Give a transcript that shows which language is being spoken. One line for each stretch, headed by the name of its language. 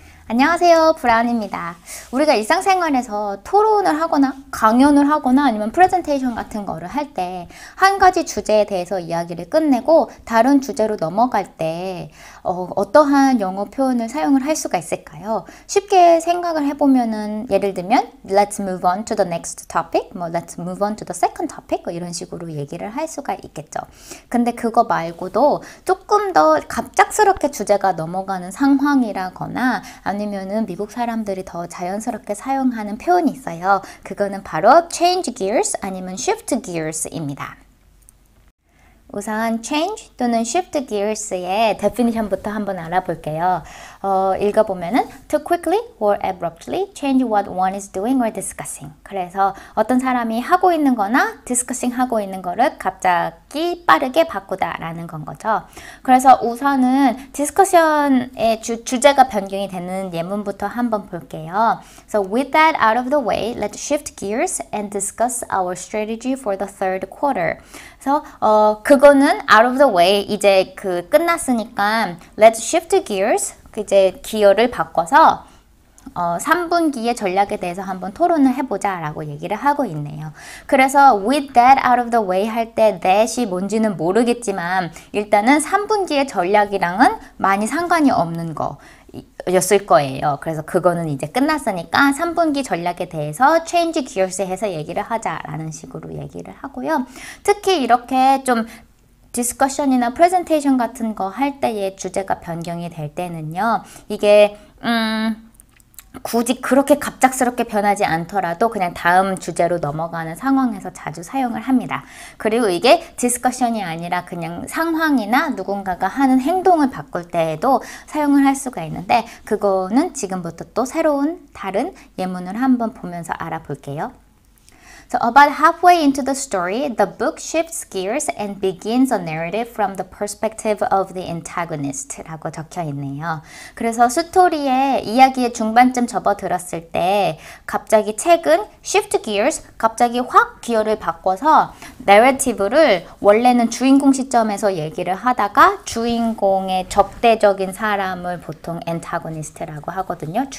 Korean: 안녕하세요, 브라운입니다. 우리가 일상생활에서 토론을 하거나 강연을 하거나 아니면 프레젠테이션 같은 거를 할때한 가지 주제에 대해서 이야기를 끝내고 다른 주제로 넘어갈 때 어떠한 영어 표현을 사용을 할 수가 있을까요? 쉽게 생각을 해보면은 예를 들면
English: Let's move on to the next topic, 뭐 Let's move on to the second topic
Korean: 뭐 이런 식으로 얘기를 할 수가 있겠죠. 근데 그거 말고도 조금 더 갑작스럽게 주제가 넘어가는 상황이라거나 아니면은 미국 사람들이 더 자연스럽게 사용하는 표현이 있어요. 그거는 바로 change gears 아니면 shift gears입니다. 우선 change 또는 shift gears의 definition부터 한번 알아볼게요.
English: 읽어보면은 to quickly or abruptly change what one is doing or discussing.
Korean: 그래서 어떤 사람이 하고 있는 거나 discussing 하고 있는 거를 갑자기 빠르게 바꾸다라는 건 거죠. 그래서 우선은 discussion의 주제가 변경이 되는 예문부터 한번 볼게요.
English: So with that out of the way, let's shift gears and discuss our strategy for the third quarter.
Korean: 그래서 그거는
English: out of the way
Korean: 이제 그 끝났으니까
English: let's shift gears.
Korean: 이제 기여를 바꿔서 3분기의 전략에 대해서 한번 토론을 해보자 라고 얘기를 하고 있네요. 그래서 with that out of the way 할때 that이 뭔지는 모르겠지만 일단은 3분기의 전략이랑은 많이 상관이 없는 거였을 거예요. 그래서 그거는 이제 끝났으니까 3분기 전략에 대해서 change gears 해서 얘기를 하자라는 식으로 얘기를 하고요. 특히 이렇게 좀 디스커션이나 프레젠테이션 같은 거할 때의 주제가 변경이 될 때는요. 이게 굳이 그렇게 갑작스럽게 변하지 않더라도 그냥 다음 주제로 넘어가는 상황에서 자주 사용을 합니다. 그리고 이게 디스커션이 아니라 그냥 상황이나 누군가가 하는 행동을 바꿀 때에도 사용을 할 수가 있는데 그거는 지금부터 또 새로운 다른 예문을 한번 보면서 알아볼게요.
English: So about halfway into the story, the book shifts gears and begins a narrative from the perspective of the antagonist라고
Korean: 적혀 있네요. 그래서 스토리에 이야기의 중반쯤 접어들었을 때 갑자기 책은 shift gears, 갑자기 확 기어를 바꿔서 narrative를 원래는 주인공 시점에서 얘기를 하다가 주인공의 적대적인 사람을 보통 antagonist라고 하거든요.